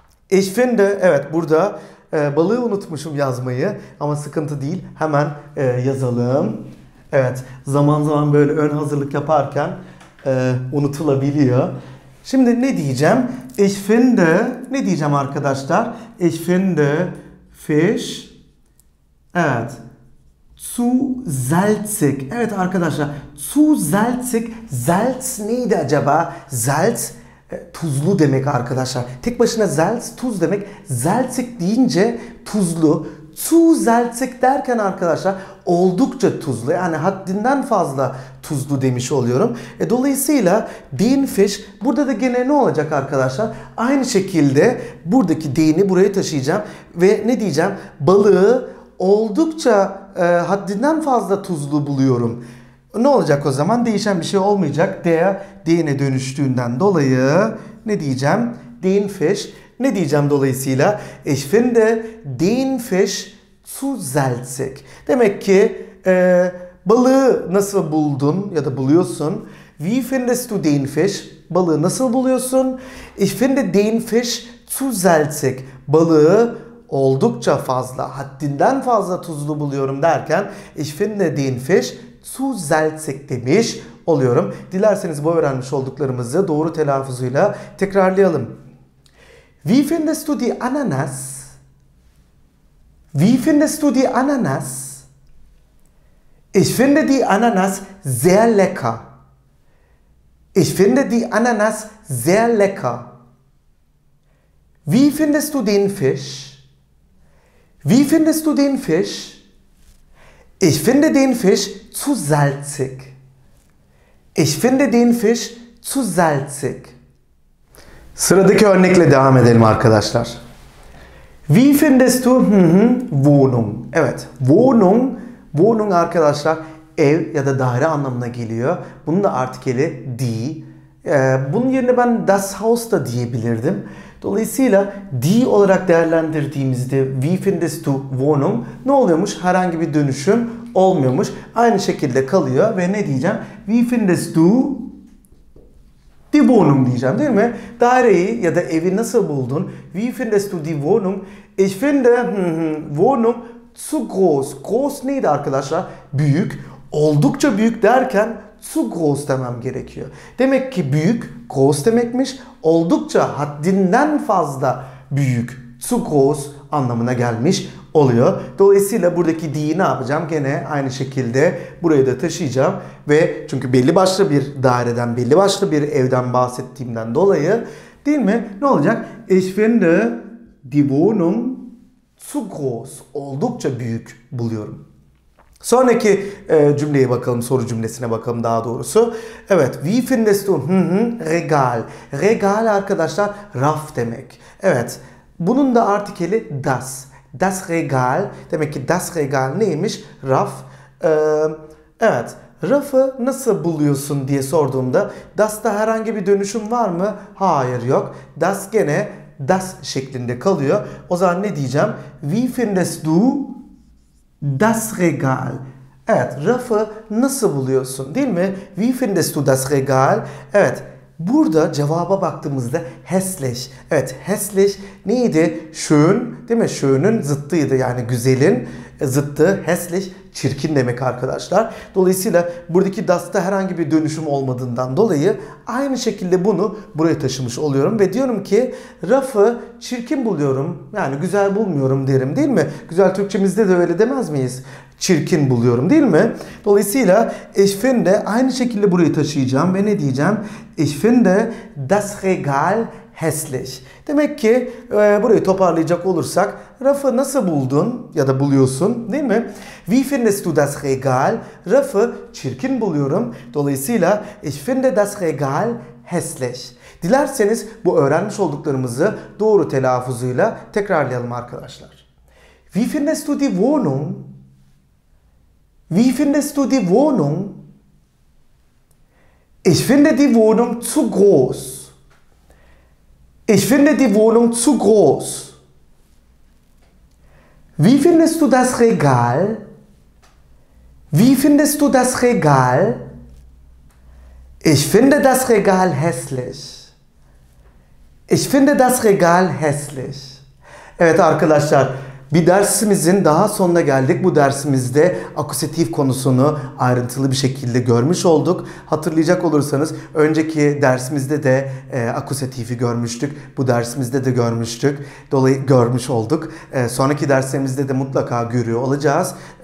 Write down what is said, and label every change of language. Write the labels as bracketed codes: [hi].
[de] Ich finde, [tr] evet burada balığı unutmuşum yazmayı ama sıkıntı değil. Hemen yazalım. Evet, zaman zaman böyle ön hazırlık yaparken unutulabiliyor. Şimdi ne diyeceğim? [de] Ich finde, [tr] ne diyeceğim arkadaşlar? [de] Ich finde fish, evet, zu salzig. [tr] Evet arkadaşlar, zu salzig. Salz neydi acaba? Salz tuzlu demek arkadaşlar. Tek başına salz tuz demek. Salzig deyince tuzlu. Zu salzig derken arkadaşlar oldukça tuzlu. Yani haddinden fazla tuzlu demiş oluyorum. Dolayısıyla den fish burada da gene ne olacak arkadaşlar? Aynı şekilde buradaki den'i buraya taşıyacağım. Ve ne diyeceğim? Balığı oldukça haddinden fazla tuzlu buluyorum. Ne olacak o zaman? Değişen bir şey olmayacak. Den'e dönüştüğünden dolayı ne diyeceğim? Den fish. Ne diyeceğim dolayısıyla? [de] Ich finde den fish zu salzig. [tr] Demek ki balığı nasıl buldun ya da buluyorsun? [de] Wie findest du den fish? [tr] Balığı nasıl buluyorsun? [de] Ich finde den fish zu salzig. [tr] Balığı oldukça fazla, haddinden fazla tuzlu buluyorum derken [de] ich finde den fish zu salzig [tr] demiş oluyorum. Dilerseniz bu öğrenmiş olduklarımızı doğru telaffuzuyla tekrarlayalım. [de] Wie findest du die Ananas? Wie findest du die Ananas? Ich finde die Ananas sehr lecker. Ich finde die Ananas sehr lecker. Wie findest du den Fisch? Wie findest du den Fisch? Ich finde den Fisch zu salzig. Ich finde den Fisch zu salzig. [tr] Sıradaki örnekle devam edelim arkadaşlar. [de] Wie findest du Wohnung? [tr] Evet, Wohnung, Wohnung arkadaşlar ev ya da daire anlamına geliyor. Bunun da artikeli die. Bunun yerine ben das Haus da diyebilirdim. Dolayısıyla die olarak değerlendirdiğimizde [de] wie findest du Wohnung? [tr] Ne oluyormuş? Herhangi bir dönüşüm olmuyormuş. Aynı şekilde kalıyor ve ne diyeceğim? [de] Wie findest du die Wohnung [tr] diyeceğim değil mi? Daireyi ya da evi nasıl buldun? [de] Wie findest du die Wohnung? Ich finde Wohnung zu groß. [tr] Groß neydi arkadaşlar? Büyük. Oldukça büyük derken zu groß demem gerekiyor. Demek ki büyük, groß demekmiş. Oldukça, haddinden fazla büyük, zu groß anlamına gelmiş oluyor. Dolayısıyla buradaki die'yi ne yapacağım? Gene aynı şekilde buraya da taşıyacağım. Ve çünkü belli başlı bir daireden, belli başlı bir evden bahsettiğimden dolayı değil mi? Ne olacak? [de] Ich finde die Wohnung [tr] Tsukos oldukça büyük buluyorum. Sonraki cümleyi bakalım, soru cümlesine bakalım daha doğrusu. Evet, [de] wie findest du? [tr] Regal. Regal arkadaşlar raf demek. Evet, bunun da artikeli das. Das Regal. Demek ki das Regal neymiş? Raf. Evet, rafı nasıl buluyorsun diye sorduğumda das'ta herhangi bir dönüşüm var mı? Hayır, yok. Das gene das şeklinde kalıyor. O zaman ne diyeceğim? [de] Wie findest du das Regal? [tr] Evet, rafı nasıl buluyorsun, değil mi? [de] Wie findest du das Regal? [tr] Evet, burada cevaba baktığımızda hässlich. Evet, hässlich neydi? Schön, değil mi? Schön'ün zıttıydı, yani güzelin zıttı. Hässlich, çirkin demek arkadaşlar. Dolayısıyla buradaki das'ta herhangi bir dönüşüm olmadığından dolayı aynı şekilde bunu buraya taşımış oluyorum ve diyorum ki rafı çirkin buluyorum. Yani güzel bulmuyorum derim, değil mi? Güzel Türkçemizde de öyle demez miyiz? Çirkin buluyorum, değil mi? Dolayısıyla ich finde, aynı şekilde buraya taşıyacağım ve ne diyeceğim? [de] Ich finde das Regal hässlich. [tr] Demek ki burayı toparlayacak olursak, rafı nasıl buldun ya da buluyorsun, değil mi? [de] Wie findest du das Regal? [tr] Rafı çirkin buluyorum. Dolayısıyla [de] ich finde das Regal hässlich. [tr] Dilerseniz bu öğrenmiş olduklarımızı doğru telaffuzuyla tekrarlayalım arkadaşlar. [de] Wie findest du die Wohnung? Wie findest du die Wohnung? Ich finde die Wohnung zu groß. Ich finde die Wohnung zu groß. Wie findest du das Regal? Wie findest du das Regal? Ich finde das Regal hässlich. Ich finde das Regal hässlich. [tr] Evet arkadaşlar, bir dersimizin daha sonuna geldik. Bu dersimizde akusatif konusunu ayrıntılı bir şekilde görmüş olduk. Hatırlayacak olursanız önceki dersimizde de akusatifi görmüştük. Bu dersimizde de görmüştük. Görmüş olduk. Sonraki derslerimizde de mutlaka görüyor olacağız.